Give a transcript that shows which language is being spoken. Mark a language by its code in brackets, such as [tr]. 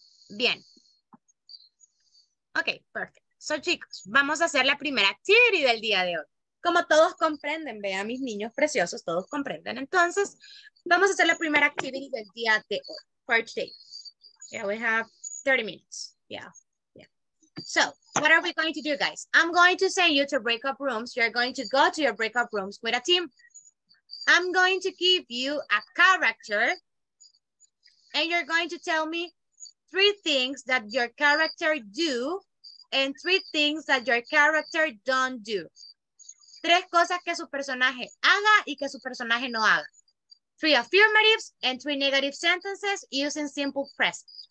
[es] Bien. Ok, perfecto. So, chicos, vamos a hacer la primera actividad del día de hoy. Como todos comprenden, vean mis niños preciosos, todos comprenden. Entonces, vamos a hacer la primera actividad del día de hoy. [en] For today. Yeah, we have 30 minutes. Yeah. So, what are we going to do, guys? I'm going to send you to breakout rooms. You're going to go to your breakout rooms with a team. I'm going to give you a character. And you're going to tell me three things that your character do and three things that your character don't do. [es] Tres cosas que su personaje haga y que su personaje no haga. [en] Three affirmatives and three negative sentences using simple present.